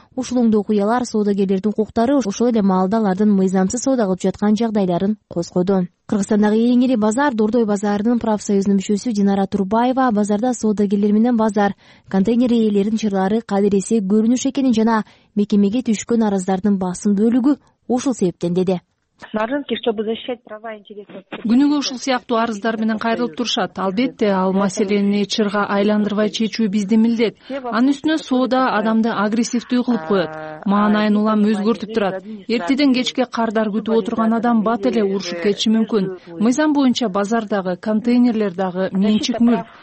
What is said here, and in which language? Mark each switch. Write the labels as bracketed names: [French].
[Kyrgyz] Ушул оңдоо окуялар соодагерлердин укуктары, ошол эле маалдалардын мыйзамсыз соода кылып жаткан жагдайларын козгоду. Кыргызстандагы эң ири базар Дордой базарынын профсоюзунун мүчөсү Динара Турбаева базарда соодагерлер менен базар, контейнер ээлеринин чырлары кадыресе көрүнүш экенин жана мекемеге түшкөн арыздардын басым бөлүгү ушул себептен деди. [Russian] На рынке, чтобы защищать права интересов. [Kyrgyz] Күнүгө ушул сыяктуу арыздар менен кайрылып турушат. Албетте, ал маселени чырга айландырбай чечүү биздин милдет. Анын үстүнө соода адамды агрессивдүү кылып коёт. Маанайын улам өзгөртүп турат. Эртеден кечке кардар күтүп отурган адам бат эле урушуп кетиши мүмкүн. Мыйзам боюнча базардагы контейнерлердеги менчик мүлк.